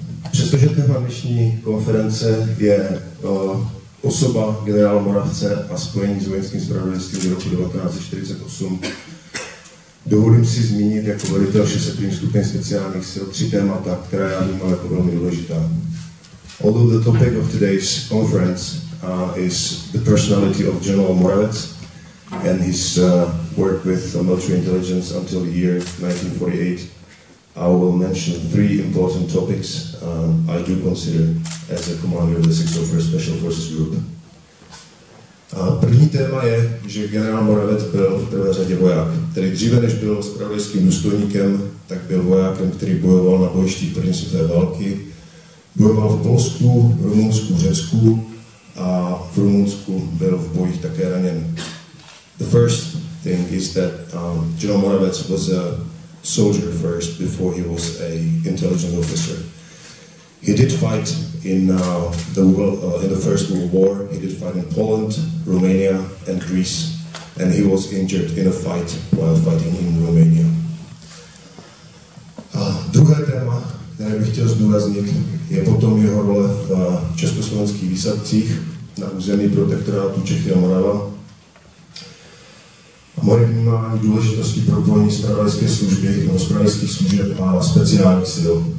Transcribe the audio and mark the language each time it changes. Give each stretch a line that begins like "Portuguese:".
Czech: Přestože téma dnešní konference je osoba generála Moravce a spojení s vojenským zpravodajstvím v roku 1948, dovolím si zmínit jako velitel 6. skupiny speciálních sil tři témata, která já vnímám jako velmi důležitá.
English: Although the topic of today's conference is the personality of General Moravec and his work with military intelligence until the year 1948, I will mention three important topics I do consider as a commander of the 601st Special Forces Group.
Czech: První téma je, že generál Moravec byl v prvé řadě voják, tedy dříve než byl zpravodajským důstojníkem, tak byl vojákem, který bojoval na bojištích první světové války. Bojoval v Polsku, Rumunsku, Řecku a v Rumunsku byl v bojích také raněn.
English: The first thing is that General Moravec was a soldier first before he was a intelligence officer. He did fight in the First World War. He did fight in Poland, Romania, and Greece, and he was injured in a fight while fighting in Romania.
Czech: Druhé téma, které bych chtěl zdůraznit, je potom jeho role v československých výsadcích na území protektorátu Čechy a Morava. Moje vnímání důležitosti propojení zpravodajské služby, nebo zpravodajských služeb a speciální sil.